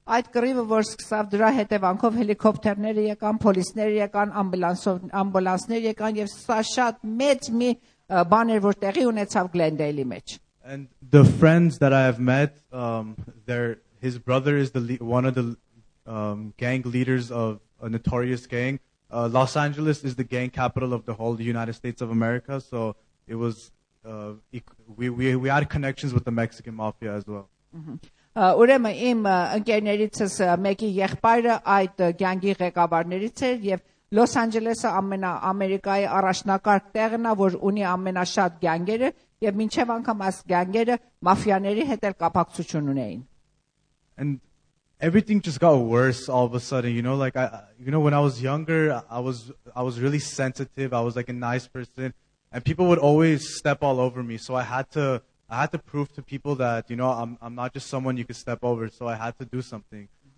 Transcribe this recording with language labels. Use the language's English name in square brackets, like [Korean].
[Armenian] Այդ կռիվը որ սկսավ դրա հետևանքով հելիկոպտերներ եկան, պոլիսներ եկան, ամբուլանսներ եկան եւ սա շատ մեծ մի բան էր որ տեղի ունեցավ Glendale-ի մեջ. [English] And the friends that I have met, his brother is one of the gang leaders of a notorious gang. Los Angeles is the gang capital of the whole United States of America, so it was we had connections with the Mexican mafia as well. [Armenian] Ուրեմն իմ ընկերներիցս մեկի եղբայրը այդ գյանգի ղեկավարներից էր եւ Լոս Անջելեսը ամենա Ամերիկայի առաջնակարգ տեղն է որ ունի ամենաշատ գյանգերը եւ մինչեւ անգամ այս գյանգերը մաֆիաների հետ էլ կապակցություն ունեին. [English] And everything just got worse all of a sudden, you know, like when I was younger, I was really sensitive, I was like a nice person and people would always step all over me, so I had to prove to people that, you know, I'm not just someone you could step over, so I had to do something.